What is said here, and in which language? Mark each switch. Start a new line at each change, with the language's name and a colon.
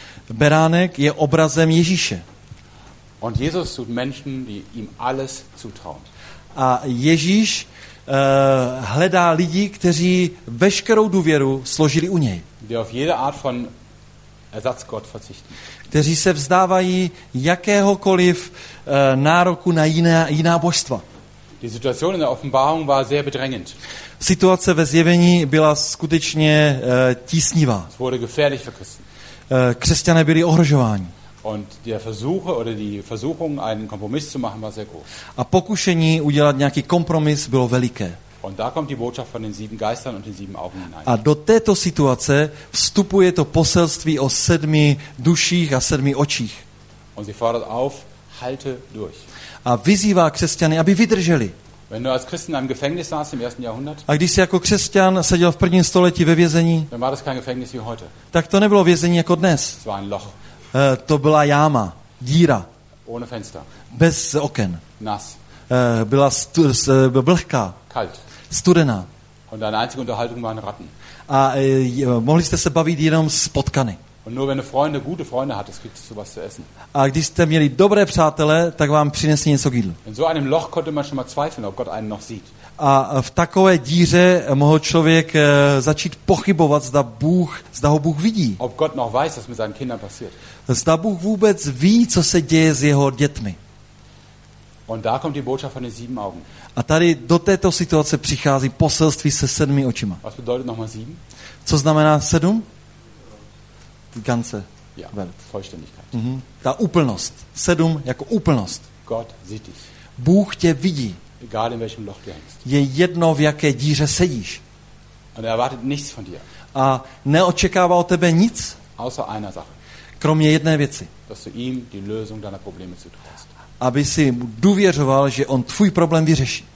Czech: Beránek je obrazem Ježíše.
German: Und Jesus sucht Menschen, die ihm alles zutrauen.
Czech: A Ježíš hledá lidi, kteří veškerou důvěru složili u něj.
German: Die auf jede Art von Ersatzgott verzichten.
Czech: Kteří se vzdávají jakéhokoliv nároku na jiná božstva.
German: Die Situation in der Offenbarung war sehr bedrängend.
Czech: Situace ve zjevení byla skutečně tísnivá.
German: Es wurde gefährlich für Christen.
Czech: Křesťané byli ohrožováni.
German: Und der Versuche oder die Versuchung einen Kompromiss zu machen war sehr groß.
Czech: A pokušení udělat nějaký kompromis bylo veliké.
German: Und da kommt die Botschaft von den 7 Geistern und den 7 Augen hinein.
Czech: A do této situace vstupuje to poselství o 7 duších a 7 očích.
German: Und sie fordert auf, halte durch.
Czech: A vyzývá křesťany, aby vydrželi.
German: Wenn du als Christen im Gefängnis saß im ersten Jahrhundert?
Czech: A když jsi jako křesťan seděl v prvním století ve vězení?
German: Dann war das kein Gefängnis wie heute.
Czech: Tak to nebylo vězení jako dnes.
German: Es war ein Loch.
Czech: To byla jáma, díra.
German: Ohne Fenster.
Czech: Bez oken.
German: Nass.
Czech: Byla vlhká.
German: Kalt.
Czech: Studená.
German: Und deine einzige Unterhaltung waren Ratten.
Czech: A mohli jste se bavit jenom s potkany.
German: Und nur wenn du Freunde, gute Freunde hattest, kriegst du was zu essen.
Czech: A když jste měli dobré přátele, tak vám přinesli něco k jídlu.
German: In so einem Loch konnte man schon mal zweifeln, ob Gott einen noch sieht.
Czech: A v takové díře mohl člověk začít pochybovat, zda ho Bůh vidí.
German: Ob Gott noch weiß, was mit seinen Kindern passiert.
Czech: Zda Bůh vůbec ví, co se děje s jeho dětmi.
German: Und da kommt die Botschaft von den 7 Augen.
Czech: A tady do této situace přichází poselství se 7 očima.
German: Was bedeutet noch mal 7?
Czech: Co znamená 7?
German: Ganze Welt. Vollständigkeit.
Czech: Ta úplnost. 7 jako úplnost.
German: Gott sieht dich.
Czech: Bůh tě vidí.
German: Egal in welchem Loch du hängst.
Czech: Je jedno, v jaké díře sedíš.
German: Und er erwartet nichts von dir.
Czech: A neočekává od tebe nic.
German: Außer einer Sache.
Czech: Kromě jedné věci.
German: Dass du ihm die Lösung deiner Probleme zutraust.
Czech: Aby si mu důvěřoval, že on tvůj problém vyřeší.